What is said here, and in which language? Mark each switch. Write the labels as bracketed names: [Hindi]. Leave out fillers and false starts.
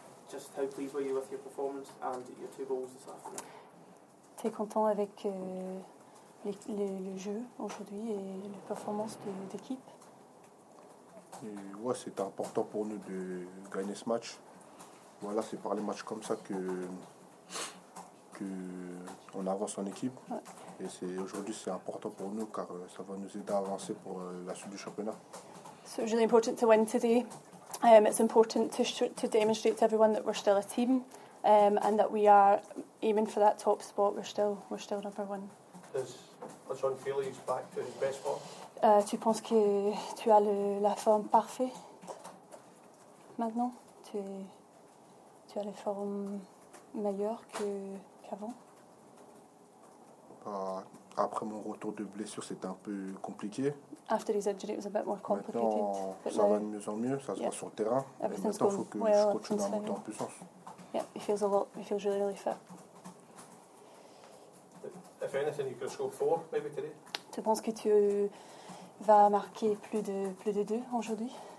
[English] Just how pleased were you with your performance and your two goals this afternoon? [French] Très content avec le jeu aujourd'hui et la performance de l'équipe. Ouais, c'est important pour nous de gagner ce match. Voilà, c'est par les matchs comme ça que on avance en équipe. Ouais. Et c'est aujourd'hui c'est important pour nous car ça va nous aider à avancer pour la suite du championnat. [English] So it's really important to win today. It's important to demonstrate to everyone that we're still a team. And that we are aiming for that top spot. We're still number one. Is John Feely back to his best form? [French] Tu penses que tu as la forme parfaite maintenant? Tu as la forme meilleure qu'avant? Après mon retour de blessure, c'était un peu compliqué. [English] After his injury, it was a bit more complicated. [French] Maintenant, ça va de mieux en mieux. Ça se voit sur le terrain. [English] Everything's [French] maintenant, faut que [English] well, [French] je continue à monter en puissance. [English] Yeah, he feels a lot. He feels really, really fit. If anything, you could score four, maybe today. [French] Tu penses que tu vas marquer plus de deux aujourd'hui?